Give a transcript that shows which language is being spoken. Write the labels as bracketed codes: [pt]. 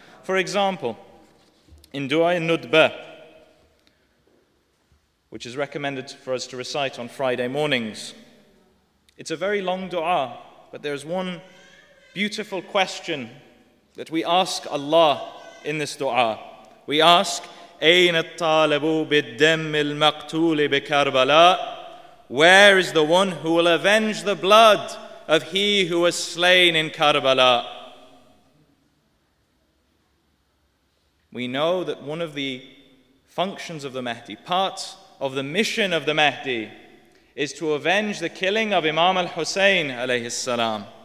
[en] For example, in Dua al-Nudbah, which is recommended for us to recite on Friday mornings, it's a very long dua, but there's one beautiful question that we ask Allah in this dua. We ask, [ar] أين الطالب بالدم المقتول بكربلاء? [en] Where is the one who will avenge the blood of he who was slain in Karbala? We know that one of the functions of the Mahdi, part of the mission of the Mahdi, is to avenge the killing of Imam al-Husayn alayhi salam.